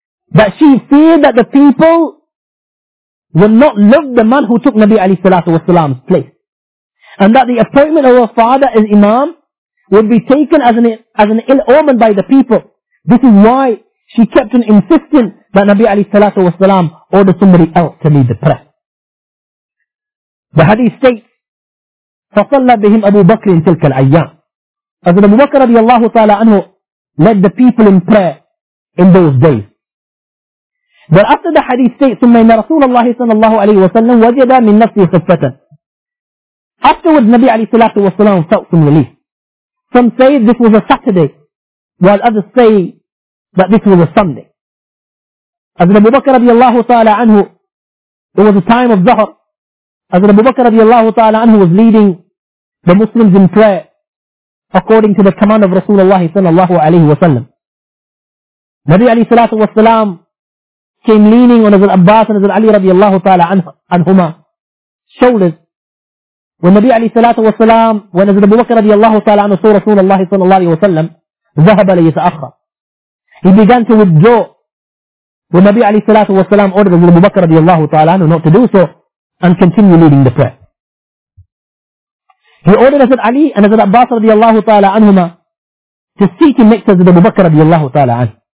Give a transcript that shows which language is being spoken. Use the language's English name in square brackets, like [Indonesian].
[English] But she feared that the people will not love the man who took Nabi alayhi salatu wasalam's place. And that the appointment of her father as imam would be taken as an ill omen by the people. This is why she kept on insisting that Nabi alayhi salatu wasalam ordered somebody else to lead the prayer. The hadith states, [Arabic] فَصَلَّ بِهِمْ أَبُو بَكْرٍ تِلْكَ الْأَيَّامِ. [English] As Abu Bakr radiallahu ta'ala anhu led the people in prayer in those days. [Arabic] بل أصل حديث سيء، ثم إن رسول الله صلى الله عليه وسلم وجد من نفسه خفة. [English] Afterwards, Nabi عليه الصلاة والسلام felt some relief. Some say this was a Saturday, while others say that this was a Sunday. As Abu Bakr رضي الله تعالى عنه, it was a time of Zuhr. As Abu Bakr رضي الله تعالى عنه was leading the Muslims in prayer according to the command of Rasulullah صلى الله عليه وسلم. Nabi عليه الصلاة والسلام came leaning on Hazrat Abbas and Hazrat Ali رضي الله تعالى عنهما shoulders. When Nabi عليه الصلاة والسلام, when Hazrat Abu Bakr رضي الله تعالى عنه saw Rasulullah صلى الله عليه وسلم, [Arabic] ذهب ليتأخر. [English] He began to withdraw. When Nabi عليه الصلاة والسلام ordered Hazrat Abu Bakr رضي الله تعالى عنه not to do so and continue leading the prayer. He ordered Hazrat Ali and Hazrat Abbas رضي الله تعالى عنهما to seat him next to Hazrat Abu Bakr رضي الله تعالى عنه.